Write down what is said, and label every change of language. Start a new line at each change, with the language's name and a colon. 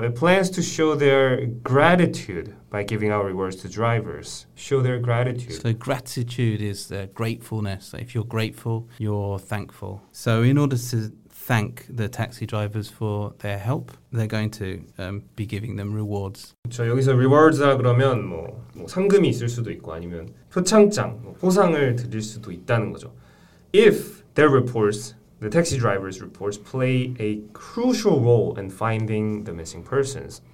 English: It plans to show their gratitude by giving out rewards to drivers. Show their gratitude. So gratitude is gratefulness. If you're grateful, you're thankful. So in order to thank the taxi drivers for their help, they're going to be giving them rewards.
Korean: 그렇죠. 여기서 rewards라 그러면 뭐 상금이 있을 수도 있고 아니면 표창장, 뭐 포상을 드릴 수도 있다는 거죠.
English: If their reports, the taxi driver's reports, play a crucial role in finding the missing persons.